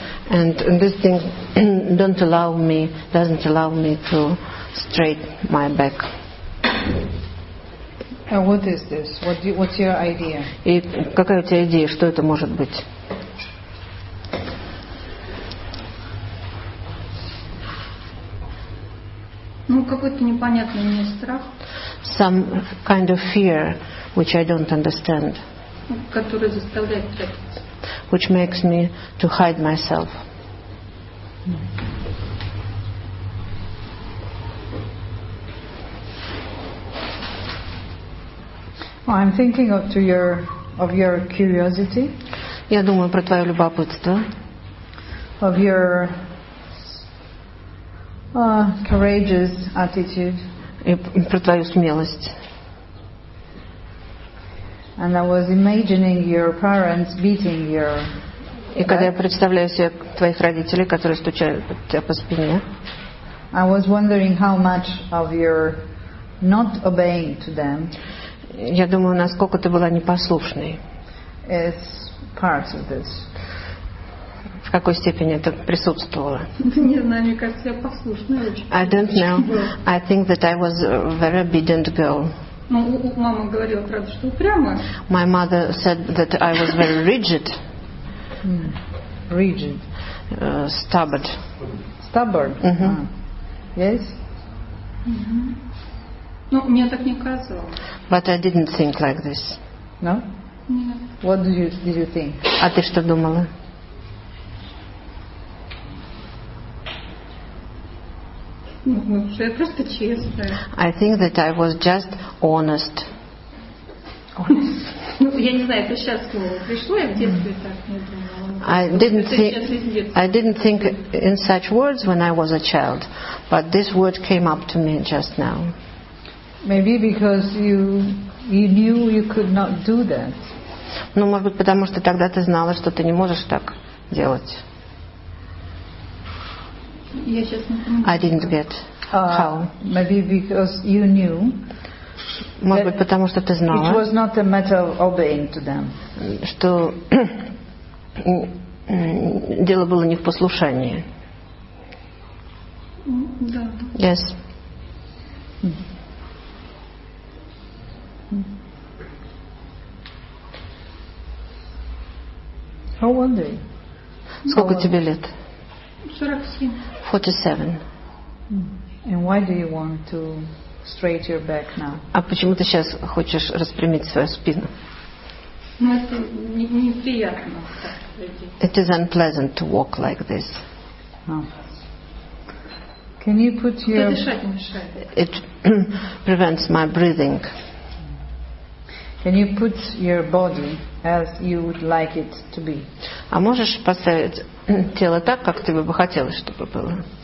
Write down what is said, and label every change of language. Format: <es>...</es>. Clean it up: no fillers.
<en>And this thing doesn't allow me to straighten my back. And what is this? What's your idea?</en> <ru>И какая у тебя идея, что это может быть? Ну, какой-то непонятный мне страх.</ru> <en>Some kind of fear, which I don't understand.</en> <ru>Который заставляет прятаться.</ru> <en>Which makes me to hide myself. Well, I'm thinking of your curiosity.</en> <ru>Я думаю про твое любопытство.</ru> <en>Of your courageous attitude.</en> <ru>И про твою смелость.</ru> <en>And I was imagining your parents beating your.</en> <ru>И когда я представляю себе твоих родителей, которые стучают тебя по спине.</ru> <en>I was wondering how much of your not obeying to them.</en> <ru>Я думаю, насколько ты была непослушной.</ru> <en>Is part of this.</en> <ru>В какой степени это присутствовало? Не знаю, мне кажется, я послушная очень.</ru> <en>I don't know. I think that I was a very obedient girl.</en> <ru>Ну, мама говорила, правда, что упрямая.</ru> <en>My mother said that I was very rigid. Rigid. Stubborn. Stubborn. Yes.</en> <ru>Ну, мне так не казалось.</ru> <en>But I didn't think like this. No?</en> <ru>Нет.</ru> <en>What did you think?</en> <ru>А ты что думала? Я просто честная.</ru> <en>I think that I was just honest.</en> <ru>Ну, я не знаю, это сейчас слово пришло, я в детстве так не думала.</ru> <en>I didn't think in such words when I was a child, but this word came up to me just now. Maybe because you knew you could not do that.</en> <ru>Ну, может быть, потому что тогда ты знала, что ты не можешь так делать.</ru> <en>I didn't get how. Maybe because you knew.</en> <ru>Может быть, потому что ты знала.</ru> <en>It was not a matter of obeying to them.</en> <ru>Что дело было не в послушании. Да.</ru> <en>Yes. How old are you?</en> <ru>Сколько тебе лет? 47.</ru> <en>And why do you want to straighten your back now?</en> <ru>А почему ты сейчас хочешь распрямить свою спину? Ну, это неприятно.</ru> <en>It is unpleasant to walk like this. Can you put your... It prevents my breathing. Can you put your body as you would like it to be?</en> <ru>А можешь поставить тело так, как ты бы хотела, чтобы было?</ru>